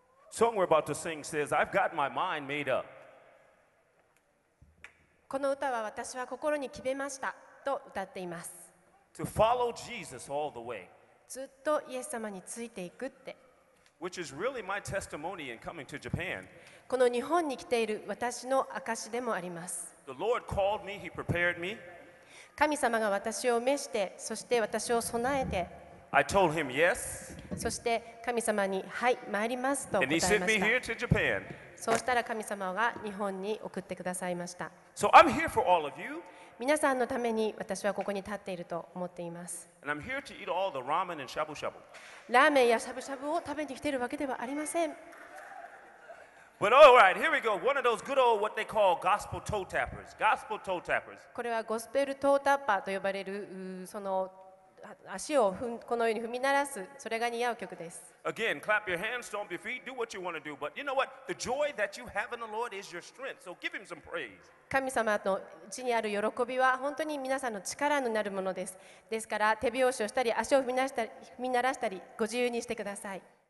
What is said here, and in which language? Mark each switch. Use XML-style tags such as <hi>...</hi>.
<en>song we're about to sing says, I've got my mind made up.</en> <ja>この歌は私は心に決めましたと歌っています。</ja> <en>To follow Jesus all the way.</en> <ja>ずっとイエス様についていくって。</ja> <en>Which is really my testimony in coming to Japan.</en> <ja>この日本に来ている私の証でもあります。</ja> <en>The Lord called me, He prepared me.</en> <ja>神様が私を召して、そして私を備えて。</ja> <en>I told him yes.</en> <ja>そして神様に、はい、参りますと答えました。</ja> <en>And He sent me here to Japan.</en> <ja>そうしたら神様は日本に送ってくださいました。</ja> <en>So I'm here for all of you.</en> <ja>皆さんのために私はここに立っていると思っています。</ja> <en>And I'm here to eat all the ramen and shabu shabu.</en> <ja>ラーメンやしゃぶしゃぶを食べに来ているわけではありません。</ja> <en>But all right, here we go. One of those good old what they call gospel toe tappers. Gospel toe tappers.</en> <ja>これはゴスペルトータッパーと呼ばれるその足をこのように踏み鳴らす、それが似合う曲です。</ja> <en>Again, clap your hands, stomp your feet, do what you want to do. But you know what? The joy that you have in the Lord is your strength. So give Him some praise.</en> <ja>神様の地にある喜びは本当に皆さんの力になるものです。ですから手拍子をしたり足を踏み鳴らしたりご自由にしてください。</ja>